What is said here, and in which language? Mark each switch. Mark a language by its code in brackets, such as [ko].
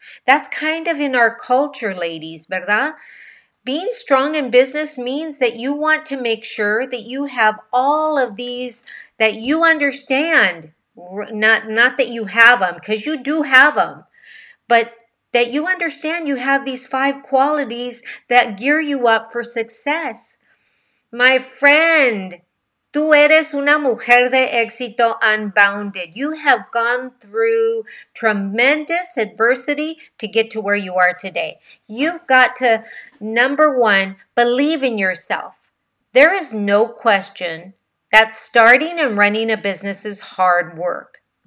[en] That's kind of in our culture, ladies, [es] ¿verdad? [en] Being strong in business means that you want to make sure that you have all of these, that you understand, not that you have them, because you do have them, but that you understand you have these five qualities that gear you up for success. My friend, [es] tú eres una mujer de éxito [en] unbounded. You have gone through tremendous adversity to get to where you are today. You've got to, number one, believe in yourself. There is no question that starting and running a business is hard work.